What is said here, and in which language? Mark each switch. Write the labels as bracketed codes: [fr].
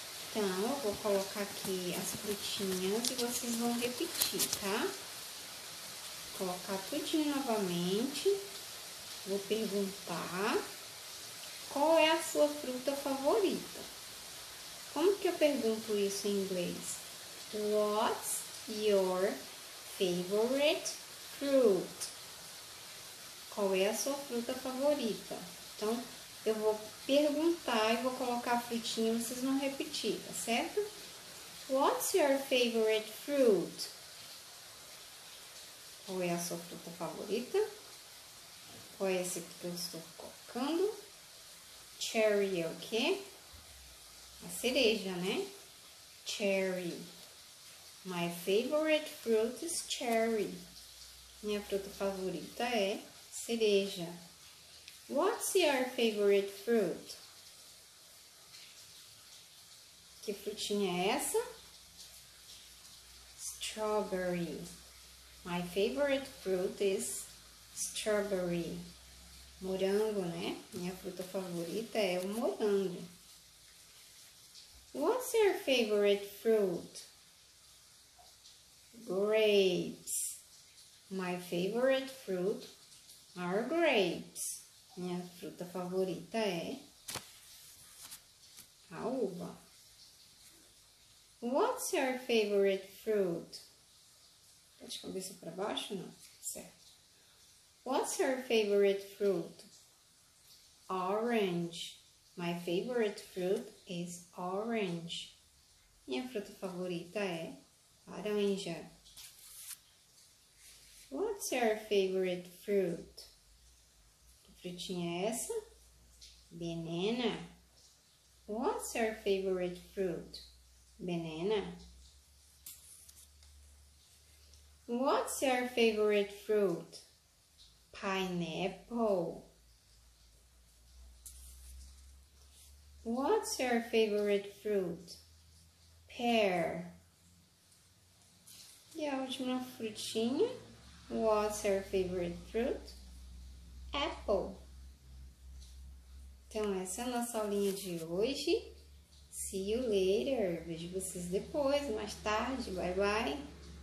[pt] Então, eu vou colocar aqui as frutinhas e vocês vão repetir, tá? Vou colocar tudinho novamente. Vou perguntar qual é a sua fruta favorita. Como que eu pergunto isso em inglês? [en] What's your favorite fruit? [pt] Qual é a sua fruta favorita? Então, eu vou perguntar e vou colocar a frutinha e vocês vão repetir, tá certo? [en] What's your favorite fruit? [pt] Qual é a sua fruta favorita? Qual é essa aqui que eu estou colocando? Cherry é o quê? A cereja, né? Cherry. [en] My favorite fruit is cherry. [pt] Minha fruta favorita é cereja. [en] What's your favorite fruit? [pt] Que frutinha é essa? Strawberry. [en] My favorite fruit is strawberry. [pt] Morango, né? Minha fruta favorita é o morango. [en] What's your favorite fruit? Grapes. My favorite fruit are grapes. [pt] Minha fruta favorita é a uva. [en] What's your favorite fruit? [pt] Tá de cabeça para baixo, não? Certo. [en] What's your favorite fruit? Orange. My favorite fruit is orange. [pt] Minha fruta favorita é laranja. [en] What's your favorite fruit? [pt] Que frutinha é essa? [en] Banana. What's your favorite fruit? Banana. What's your favorite fruit? Pineapple. What's your favorite fruit? Pear. [pt] E a última frutinha? [en] What's your favorite fruit? Apple. [pt] Então, essa é a nossa aulinha de hoje. [en] See you later. [pt] Vejo vocês depois, mais tarde. [en] Bye, bye.